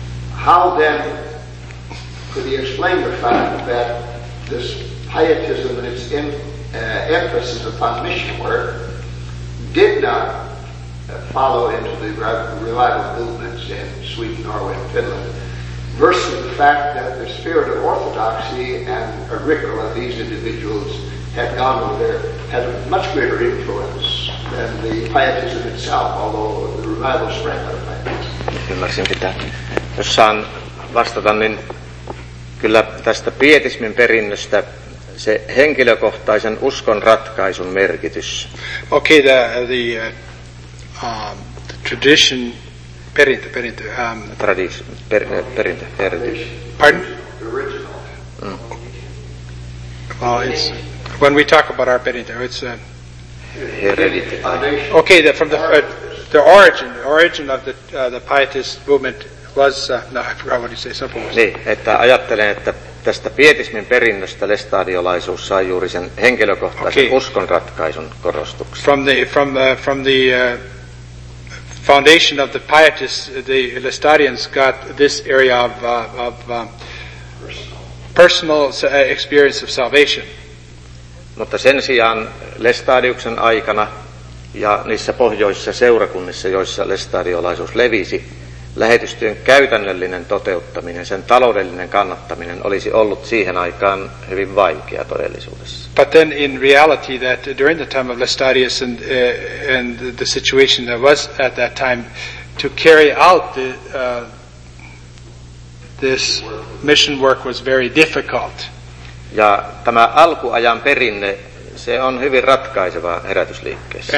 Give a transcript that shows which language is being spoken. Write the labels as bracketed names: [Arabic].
[English] How then could he explain the fact that this pietism and its emphasis upon mission work did not follow into the revival movements in Sweden, Norway, and Finland, versus the fact that the spirit of orthodoxy and Agricola, these individuals, had gone over there, had a much greater influence than the pietism itself, although the revival sprang out of pietism. [Finnish] Ymmärsin pitää. Jos saan vastata, niin kyllä tästä pietismin perinnöstä se henkilökohtaisen uskon ratkaisun merkitys. [English] Okay, the tradition, perintö. Pardon? Original. Well, it's... When we talk about our perintö, it's a... Hereditary. Okay, the origin of the pietist movement was... I forgot what you say, simple was... [Finnish] Niin, että ajattelen, että tästä pietismin perinnöstä lestadiolaisuus sai juuri sen henkilökohtaisen okay. Uskon ratkaisun korostuksen. [English] From the foundation of the pietists, the Lestadians got this area of personal experience of salvation. [Finnish] Mutta sen sijaan Lestadiuksen aikana ja niissä pohjoisissa seurakunnissa, joissa lestadiolaisuus levisi, lähetystyön käytännöllinen toteuttaminen, sen taloudellinen kannattaminen olisi ollut siihen aikaan hyvin vaikea todellisuudessa. [English] But then in reality that during the time of Lestadius and the situation that was at that time to carry out this mission work was very difficult. [Finnish] Ja tämä alkuajan perinne, se on hyvin ratkaiseva herätysliikkeessä.